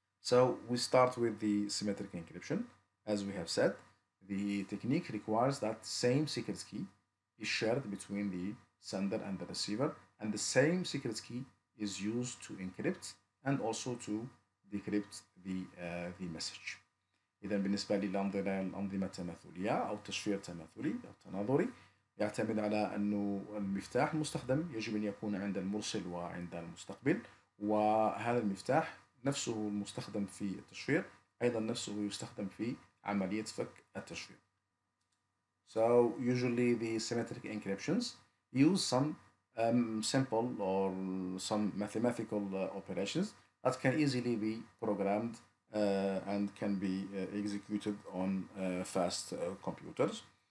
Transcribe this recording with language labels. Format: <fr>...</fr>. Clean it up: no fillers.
<en>So we start with the symmetric encryption. As we have said, the technique requires that same secret key is shared between the sender and the receiver, and the same secret key is used to encrypt and also to decrypt the message.</en> <ar>إذن بالنسبة للأنظمة التماثلية أو التشفير التماثلي أو التناظري يعتمد على أنه المفتاح المستخدم يجب أن يكون عند المرسل وعند المستقبل، وهذا المفتاح نفسه المستخدم في التشفير أيضا نفسه يستخدم في عملية فك التشفير.</ar> <en>So usually the symmetric encryptions use some simple or some mathematical operations that can easily be programmed and can be executed on fast computers.</en>